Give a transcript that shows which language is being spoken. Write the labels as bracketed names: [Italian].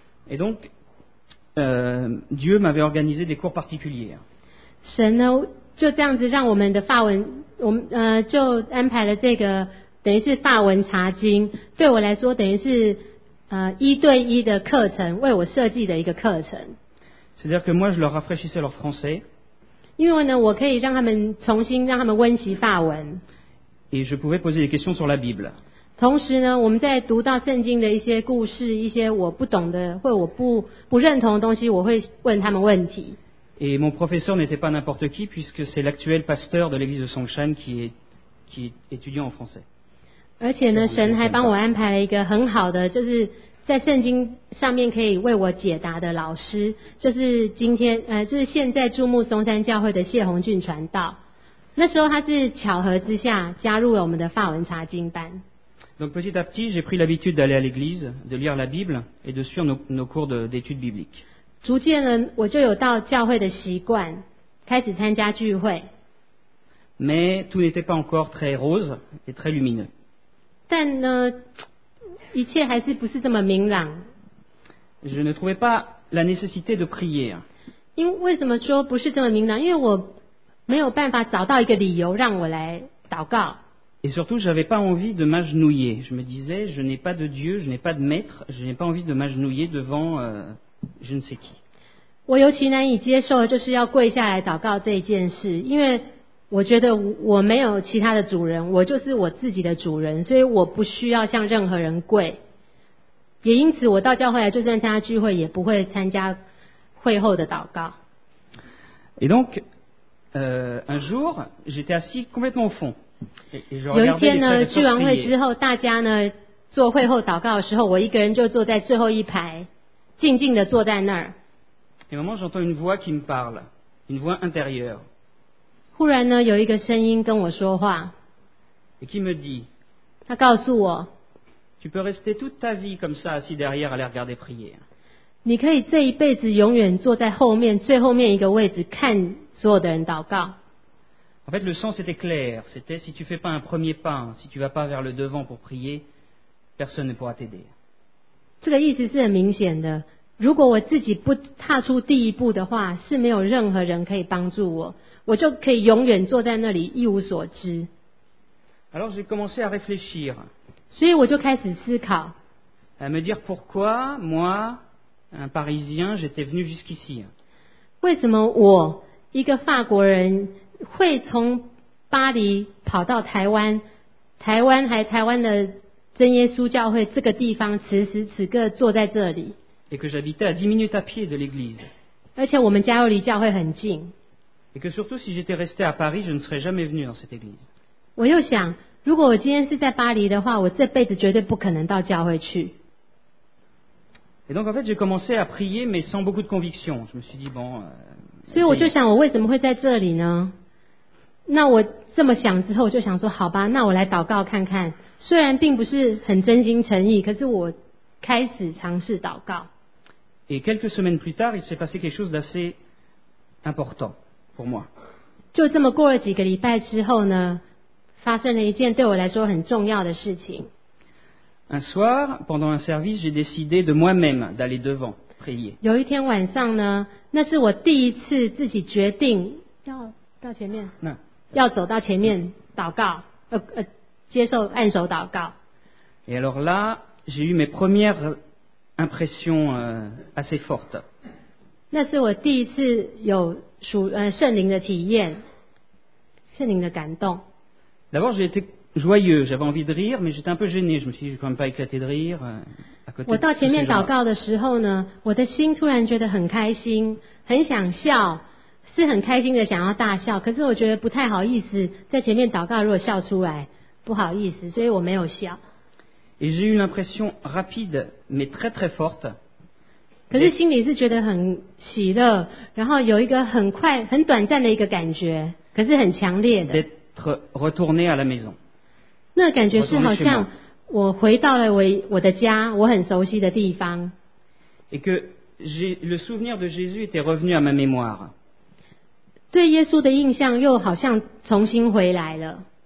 [French] Et donc, Dieu m'avait organisé des cours particuliers. [Chinese] 神呢，就这样子让我们的法文，我们就安排了这个。等于是法文查经，对我来说等于是一对一的课程，为我设计的一个课程。 [French] C'est-à-dire que moi, je leur rafraîchissais leur français. [Chinese] 因为呢，我可以让他们重新让他们温习法文。 [French] Et je pouvais poser des questions sur la Bible. [Chinese] 同时呢，我们在读到圣经的一些故事，一些我不懂的或我不认同的东西，我会问他们问题。 [French] Et mon professeur n'était pas n'importe qui, puisque c'est l'actuel pasteur de l'église de Songshan qui est étudiant en français. [Chinese] 而且呢，神还帮我安排了一个很好的，就是在圣经上面可以为我解答的老师，就是今天就是现在注目松山教会的谢宏俊传道。那时候他是巧合之下加入了我们的法文查经班。 [French] Donc petit à petit, j'ai pris l'habitude d'aller à l'église, de lire la Bible et de suivre nos cours d'études bibliques. [Chinese] 逐渐呢，我就有到教会的习惯，开始参加聚会。 [French] Mais tout n'était pas encore très rose et très lumineux. [Chinese] 但呢，一切还是不是这么明朗。 [French] Je ne trouvais pas la nécessité de prier. [Chinese] 因为什么说不是这么明朗？因为我没有办法找到一个理由让我来祷告。 [French] Et surtout, j'avais pas envie de m'agenouiller. Je me disais, je n'ai pas de Dieu, je n'ai pas de maître, je n'ai pas envie de m'agenouiller devant je ne sais qui. [Chinese] 我尤其难以接受就是要跪下来祷告这一件事，因为。我觉得我没有其他的主人，我就是我自己的主人，所以我不需要向任何人跪。也因此，我到教会来，就算参加聚会，也不会参加会后的祷告。 [French] Et donc, un jour, j'étais assis complètement au fond. [Chinese] 有一天呢，聚完会之后，大家呢做会后祷告的时候，我一个人就坐在最后一排，静静的坐在那儿。 [French] Et maman, j'entends une voix qui me parle, une voix intérieure. [Chinese] 忽然呢，有一个声音跟我说话。 [French] Et qui me dit, [Chinese] 他告诉我 [French] ，Tu peux rester toute ta vie comme ça assis derrière à les regarder prier. [Chinese] 你可以这一辈子永远坐在后面最后面一个位置看所有的人祷告。 [French] En fait, le sens était clair. C'était si tu fais pas un premier pas, si tu vas pas vers le devant pour prier, personne ne pourra t'aider. [Chinese] 这个意思是很明显的。如果我自己不踏出第一步的话，是没有任何人可以帮助我。我就可以永远坐在那里一无所知。 [French] Alors j'ai commencé à réfléchir. [Chinese] 所以我就开始思考。 [French] À me dire pourquoi moi, un Parisien, j'étais venu jusqu'ici. [Chinese] 为什么我一个法国人会从巴黎跑到台湾？台湾还台湾的真耶稣教会这个地方，此时此刻坐在这里。 [French] Et que j'habitais à 10 minutes à pied de l'église. [Chinese] 而且我们家又离教会很近。 [French] Et que surtout, si j'étais resté à Paris, je ne serais jamais venu dans cette église. [Chinese] 我又想，如果我今天是在巴黎的话，我这辈子绝对不可能到教会去。 [French] Et donc, en fait, j'ai commencé à prier, mais sans beaucoup de conviction. Je me suis dit, bon. [Chinese] 所以我就想，我为什么会在这里呢？那我这么想之后，我就想说，好吧，那我来祷告看看。虽然并不是很真心诚意，可是我开始尝试祷告。 [French] Et quelques semaines plus tard, il s'est passé quelque chose d'assez important. Pour moi. [Chinese] 就这么过了几个礼拜之后呢，发生了一件对我来说很重要的事情。 [French] Un soir, pendant un service, j'ai décidé de moi-même d'aller devant prier. [Chinese] 有一天晚上呢，那是我第一次自己决定要到前面，要走到前面祷告，接受按手祷告。 [French] Et alors là, j'ai eu mes premières impressions assez fortes. [Chinese] 那是我第一次有。圣灵的体验，圣灵的感动。 [French] D'abord, j'ai été joyeux, j'avais envie de rire, mais j'étais un peu gêné. Je me suis dit, je ne peux pas éclater de rire. [Chinese] 我到前面祷告的时候呢，我的心突然觉得很开心，很想笑，是很开心的想要大笑。可是我觉得不太好意思，在前面祷告如果笑出来，不好意思，所以我没有笑。 [French] Et j'ai eu l'impression rapide, mais très très forte. [Chinese] 可是心里是觉得很喜乐，然后有一个很快很短暂的一个感觉，可是很强烈的 [French] retourner à la maison， [Chinese] 那感觉是好像我回到了 我的家，我很熟悉的地方。 [French] et que le souvenir de Jésus était revenu à ma mémoire， [Chinese] 对耶稣的印象又好像重新回来了。